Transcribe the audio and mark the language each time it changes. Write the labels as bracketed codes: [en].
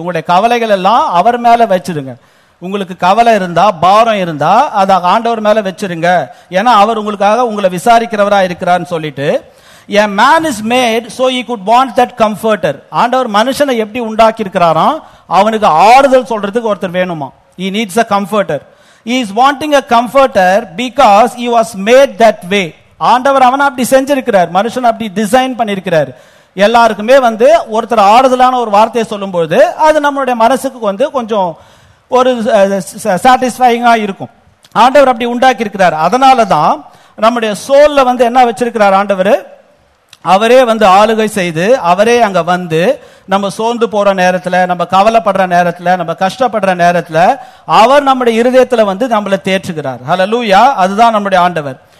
[ta] உங்களுடைய கவலைகள் எல்லாம் அவர் மேல வச்சிருங்க. உங்களுக்கு கவலை இருந்தா பாரம் இருந்தா அத ஆண்டவர் மேல வச்சிருங்க, ஏன்னா அவர் உங்களுக்காக உங்களை விசாரிக்கிறவரா இருக்கிறான்னு சொல்லிட்டு, [en] a man is made so he could want that comforter. [ta] ஆண்டவர் மனுஷனை எப்படி உண்டாக்கி இருக்கிறாராம், அவனுக்கு ஆறுதல் சொல்றதுக்கு ஒருத்தர் வேணுமா, [en] he needs a comforter. He is wanting a comforter because he was made that way. [ta] ஆண்டவர் அவன் அப்படி செஞ்சிருக்கிறார், மனுஷன் அப்படி டிசைன் பண்ணிருக்கிறார். எல்லாருக்குமே வந்து ஒருத்தர் ஆறுதலான ஒரு வார்த்தையை சொல்லும் பொழுது அது நம்மளுடைய மனசுக்கு வந்து கொஞ்சம் ஒரு சாட்டிஸ்ஃபைங்கா இருக்கும். ஆண்டவர் அப்படி உண்டாக்கி இருக்கிறார். அதனாலதான் நம்முடைய சோல்ல வந்து என்ன வச்சிருக்கிறார் ஆண்டவர், அவரே வந்து ஆளுகை செய்து அவரே அங்க வந்து நம்ம சோர்ந்து போற நேரத்துல, நம்ம கவலைப்படுற நேரத்துல, நம்ம கஷ்டப்படுற நேரத்துல அவர் நம்முடைய இருதயத்துல வந்து நம்மளை தேற்றுகிறார். ஹல்லேலூயா. அதுதான் நம்முடைய ஆண்டவர்.